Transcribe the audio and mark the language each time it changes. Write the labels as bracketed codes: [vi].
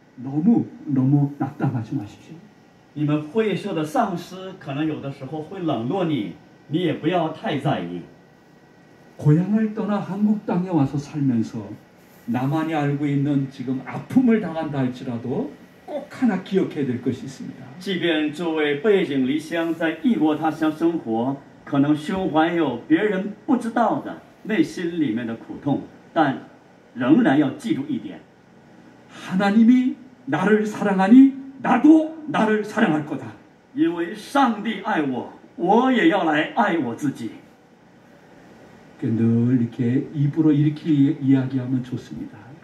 [ko] 너무 낙담하지 마십시오. [zh] 你们会社的上司可能有的时候会冷落你，你也不要太在意。 [ko] 고향을 떠나 한국 땅에 와서 살면서 나만이 알고 있는 지금 아픔을 당한다 할지라도 꼭 하나 기억해야 될 것이 있습니다. [zh] 即便作为背井离乡在异国他乡生活，可能胸怀有别人不知道的内心里面的苦痛，但仍然要记住一点。 [ko] 하나님이 나를 사랑하니 나도 나를 사랑할 거다. [zh] 因为上帝爱我，我也要来爱我自己。 [ko] 늘 이렇게 입으로 이렇게 이야기하면 좋습니다.